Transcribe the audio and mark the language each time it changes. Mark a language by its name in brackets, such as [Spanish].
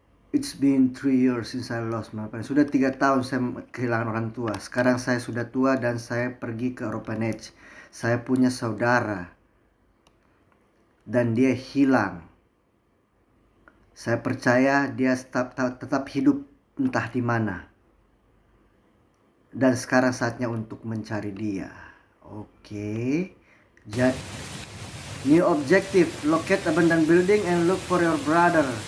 [English] It's been 3 years since I lost my parents. [Indonesian] Sudah 3 tahun saya kehilangan orang tua. Sekarang saya sudah tua dan saya pergi ke orphanage. Saya punya saudara dan dia hilang. Saya percaya dia tetap hidup entah di mana. Dan sekarang saatnya untuk mencari dia. Oke. Okay. [English] New objective: locate abandoned building and look for your brother.